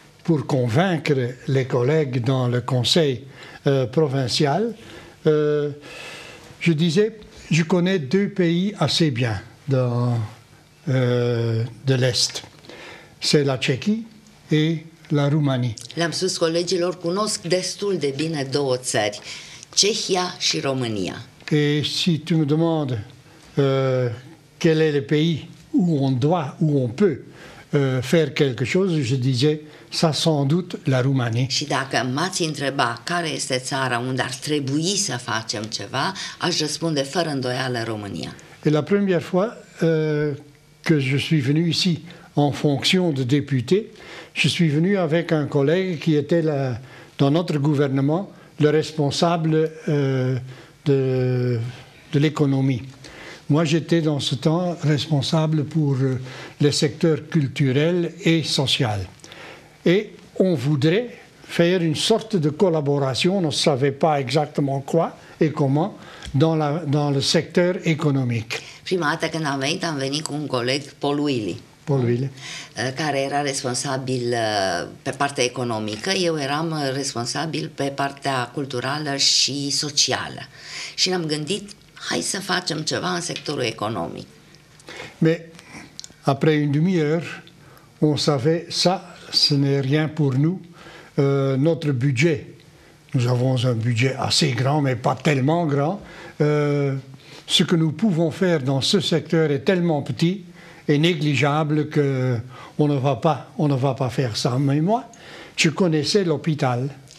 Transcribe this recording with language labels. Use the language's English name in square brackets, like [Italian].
[French] Pour convaincre les collègues dans le conseil provincial, je disais, je connais deux pays assez bien de l'Est. C'est la Tchéquie et la Roumanie. [Romanian] L'am spus colegilor, cunosc destul de bine două țări, Cehia și România. [French] Et si tu me demandes quel est le pays où on doit, où on peut faire quelque chose, je disais, ça sans doute la Roumanie. [Romanian] Și dacă m-ați întreba care este țara unde ar trebui să facem ceva, aș răspunde fără îndoială România. [French] Et la première fois que je suis venu ici en fonction de député, je suis venu avec un collègue qui était dans notre gouvernement le responsable de l'économie. Moi, j'étais dans ce temps responsable pour les secteurs culturels et social. Et on voudrait faire une sorte de collaboration, on ne savait pas exactement quoi et comment, dans le secteur économique. [Romanian] Prima dată când am venit cu un coleg, Paul Willy. Paul Willy. Care era responsabil pe partea economică, eu eram responsabil pe partea culturală și socială. Și ne-am gândit, hai să facem ceva în sectorul economic. [French] Mais après une demi-heure, on savait ça, ce n'est rien pour nous. Notre budget, nous avons un budget assez grand, mais pas tellement grand. Ce que nous pouvons faire dans ce secteur est tellement petit et négligeable que on ne va pas faire ça. Mais moi, je connaissais l'hôpital.